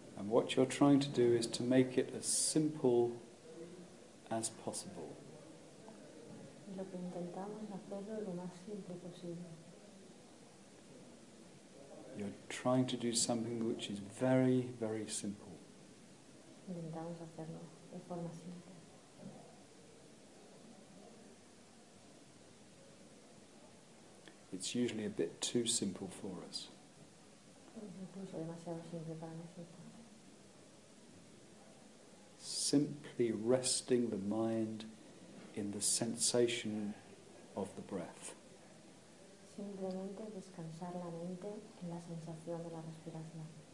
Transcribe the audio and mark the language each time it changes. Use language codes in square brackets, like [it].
[en] What you're trying to do is to make it as simple as possible. [es] Lo que intentamos es hacerlo lo más simple posible. [en] You're trying to do something which is very, very simple. [es] Intentamos hacerlo de forma simple. [en] It's usually a bit too simple for us. [es] Incluso demasiado simple para nosotros. [en] Simply resting the mind in the sensation of the breath. [es] Simplemente descansar la mente en la sensación de la respiración.